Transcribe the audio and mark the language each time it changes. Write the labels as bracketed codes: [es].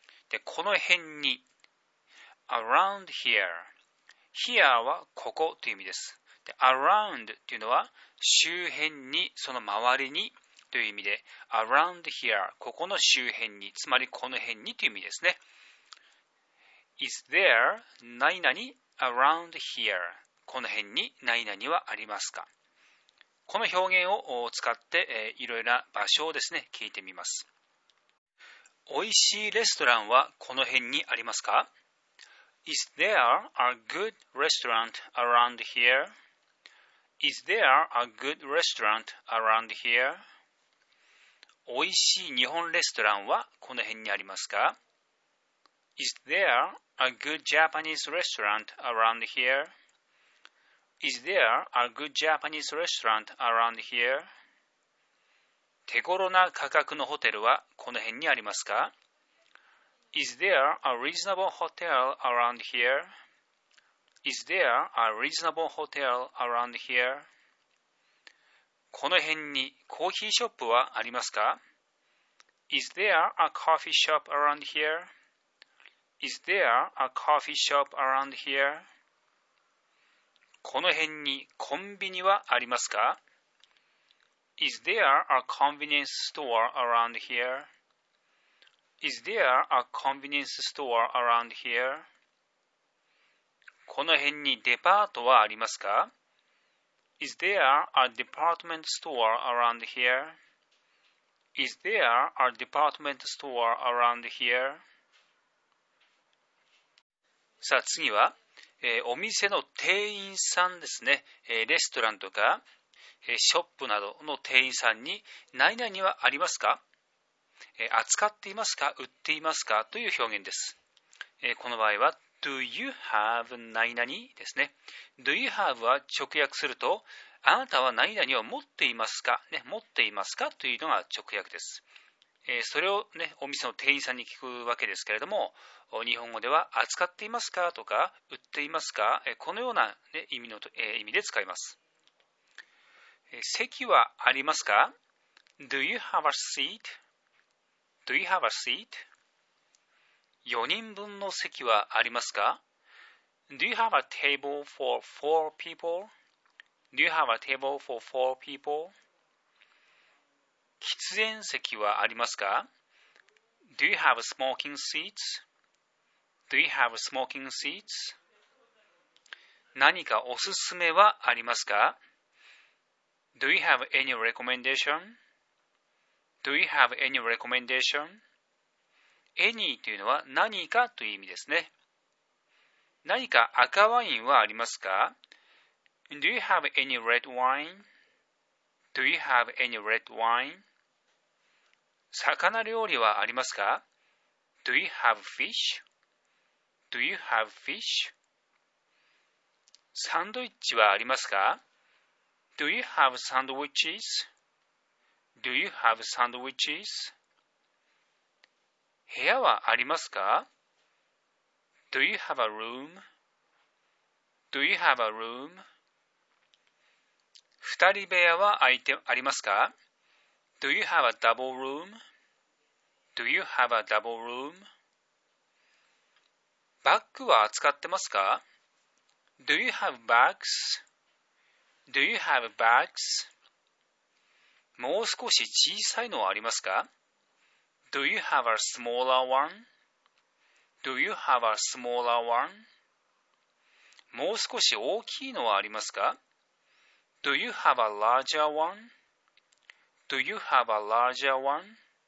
[ja] で、この辺に、 [en] around here。 [ja] here はここという意味です。で、around というのは、周辺に、その周りにという意味で、 [en] around here、 [ja] ここの周辺に、つまりこの辺にという意味ですね。 [en] Is there 何々 around here? [ja] この辺に何々はありますか？この表現を使って、いろいろな場所をですね、聞いてみます。おいしいレストランはこの辺にありますか？ [en] Is there a good restaurant around here? Is there a good restaurant around here? [ja] おいしい日本レストランはこの辺にありますか？ [en] Is there a good Japanese restaurant around here? Is there a good Japanese restaurant around here? [ja] 手頃な価格のホテルはこの辺にありますか？ [en] Is there a reasonable hotel around here? Is there a reasonable hotel around here? [ja] この辺にコーヒーショップはありますか？ [en] Is there a coffee shop around here? Is there a coffee shop around here? [ja] この辺にコンビニはありますか? [en] Is there a convenience store around here? Is there a convenience store around here? [ja] この辺にデパートはありますか? [en] Is there a department store around here? Is there a department store around here? [ja] さあ次は、お店の店員さんですね、レストランとか、ショップなどの店員さんに何々はありますか、扱っていますか売っていますかという表現です、この場合は [en] Do you have [ja] 何々ですね。 [en] Do you have [ja] は直訳するとあなたは何々を持っていますか、ね、持っていますかというのが直訳です。それを、ね、お店の店員さんに聞くわけですけれども、日本語では扱っていますかとか売っていますか、このような、ね、意味で使います。席はありますか？ [en] Do you have a seat? Do you have a seat? [ja] 4人分の席はありますか？ [en] Do you have a table for four people? Do you have a table for four people? [ja] 喫煙席はありますか? [en] Do you have smoking seats? Do you have smoking seats? [ja] 何かおすすめはありますか? [en] Do you have any recommendation? Do you have any recommendation? [ja] Any というのは何かという意味ですね。何か赤ワインはありますか? [en] Do you have any red wine? Do you have any red wine? [ja] 魚料理はありますか? [en] Do you have fish? Do you have fish? [ja] サンドイッチはありますか? [en] Do you have sandwiches? Do you have sandwiches? [ja] 部屋はありますか? [en] Do you have a room? Do you have a room? [ja] 二人部屋はありますか? [en] Do you have a double room? Do you have a double room? [ja] バッグは扱ってますか? [en] Do you have bags? Do you have bags? [ja] もう少し小さいのはありますか? [en] Do you have a smaller one? Do you have a smaller one? [ja] もう少し大きいのはありますか? [en] Do you have a larger one? Do you have a larger one?